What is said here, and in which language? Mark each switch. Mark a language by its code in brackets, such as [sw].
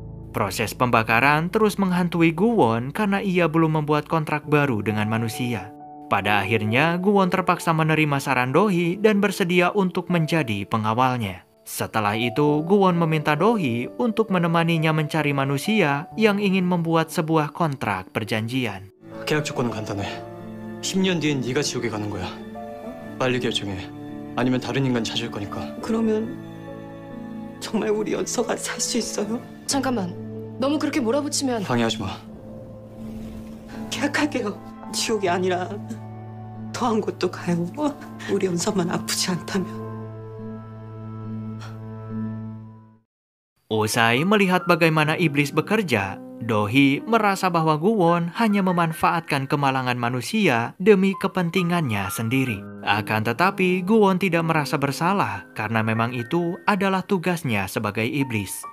[id] Proses pembakaran terus menghantui Guwon karena ia belum membuat kontrak baru dengan manusia. Pada akhirnya, Guwon terpaksa menerima saran Dohi dan bersedia untuk menjadi pengawalnya. Setelah itu, Guwon meminta Dohi untuk menemaninya mencari manusia yang ingin membuat sebuah kontrak perjanjian. Kontrak perjanjian sederhana. [ko] 10년 뒤엔 네가 지옥에 가는 거야. 빨리 결정해. 아니면 다른 인간 찾을 거니까. 그러면 정말 우리 연서가 살 수 있어요? 잠깐만, 너무 그렇게 몰아붙이면... 방해하지 마. 계약할게요. 지옥이 아니라 더한 곳도 가요. 우리 연서만 아프지 않다면. [id] Usai melihat bagaimana iblis bekerja, Dohi merasa bahwa Guwon hanya memanfaatkan kemalangan manusia demi kepentingannya sendiri. Akan tetapi, Guwon tidak merasa bersalah karena memang itu adalah tugasnya sebagai iblis.